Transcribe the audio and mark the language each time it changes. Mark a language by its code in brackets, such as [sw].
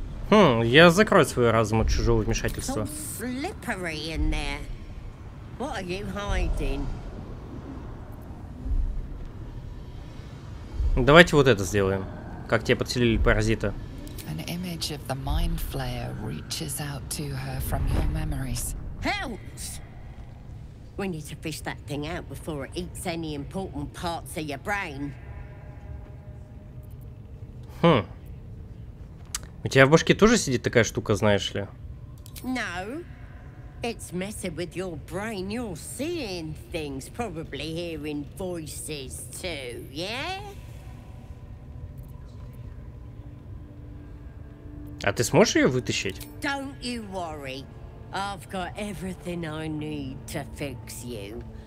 [ru] Хм, я закрою свой разум от чужого вмешательства. [en] It's all slippery in there. What are you hiding? [ru] Давайте вот это сделаем. Как тебя подселили паразита? [en] An image of the mind flayer reaches out to her from your memories. Help! We need to fish that thing out before it eats any important parts of your brain. Хм. [ru] У тебя в башке тоже сидит такая штука, знаешь ли? [en] No. It's messing with your brain. You're seeing things, probably hearing voices too, yeah? [ru] А ты сможешь ее вытащить? [en] Don't you worry. I've got everything I need to fix you.